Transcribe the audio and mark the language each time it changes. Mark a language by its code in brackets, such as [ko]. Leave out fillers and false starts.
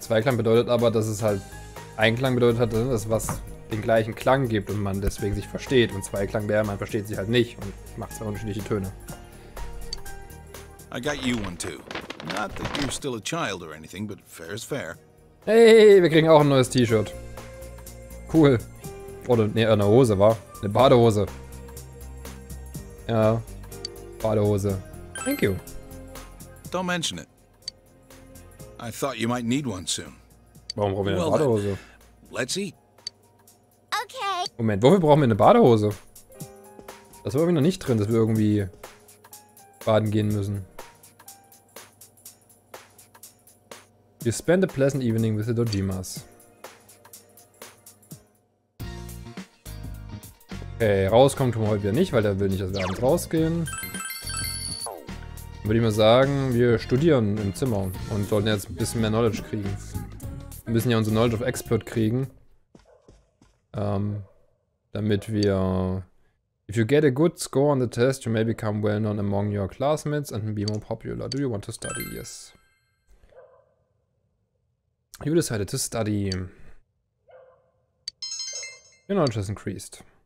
[de] Zweiklang bedeutet aber, dass es halt Einklang bedeutet hat, dass was den gleichen Klang gibt und man deswegen sich versteht. Und Zweiklang wäre, man versteht sich halt nicht und macht zwei unterschiedliche Töne. [en] I got you one too. Not that you're still a child or anything, but fair is fair. [de] Hey, wir kriegen auch ein neues T-Shirt. Cool. Oder ne, eine Hose, wa? Eine Badehose. Ja, Badehose. [en] Thank you. Don't mention it. I thought you might need one soon. [de] Warum brauchen wir eine Badehose? [en] Let's eat. Okay. [de] Moment, wofür brauchen wir eine Badehose? Das war irgendwie noch nicht drin, dass wir irgendwie baden gehen müssen. You spend a pleasant evening with the Dojimas. Okay, rauskommen tun wir heute wieder nicht, weil der will nicht, dass wir abends rausgehen. Dann würde ich mal sagen, wir studieren im Zimmer und sollten jetzt ein bisschen mehr Knowledge kriegen. Wir müssen ja unsere Knowledge of Expert kriegen. Damit wir... [en] If you get a good score on the test, you may become well known among your classmates and be more popular. Do you want to study? Yes. You decided to study. Your knowledge has increased.